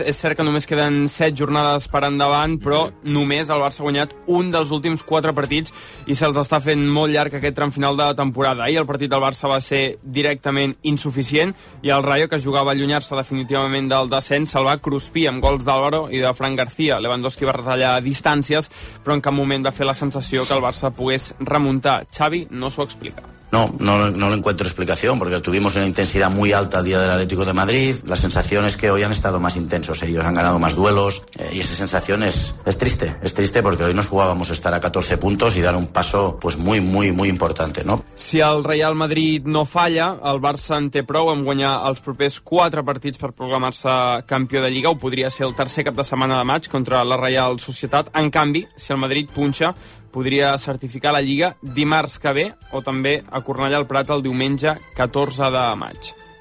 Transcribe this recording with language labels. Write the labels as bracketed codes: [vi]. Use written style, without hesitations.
[ca] És cert que només queden 7 jornades per endavant, però sí, només el Barça ha guanyat un dels últims 4 partits i se'ls està fent molt llarg aquest tram final de temporada. Ahir el partit del Barça va ser directament insuficient i el Rayo, que jugava a allunyar-se definitivament del descens, se'l va cruspir amb gols d'Álvaro i de Fran García. Lewandowski va retallar distàncies, però en cap moment va fer la sensació que el Barça pogués remuntar. Xavi no s'ho explica. [es] No le encuentro explicación, porque tuvimos una intensidad muy alta el día del Atlético de Madrid. La sensación es que hoy han estado más intensos, ellos han ganado más duelos, y esa sensación es triste. Es triste porque hoy nos jugábamos estar a 14 puntos y dar un paso pues muy, muy, muy importante, ¿no? [ca] Si el Real Madrid no falla, el Barça en té prou en guanyar els propers 4 partits per programar-se campió de Lliga. Ho podria ser el tercer cap de setmana de maig contra la Real Societat. En canvi, si el Madrid punxa, podria certificar la Lliga dimarts que ve o també a Cornellà al Prat el diumenge 14 de maig.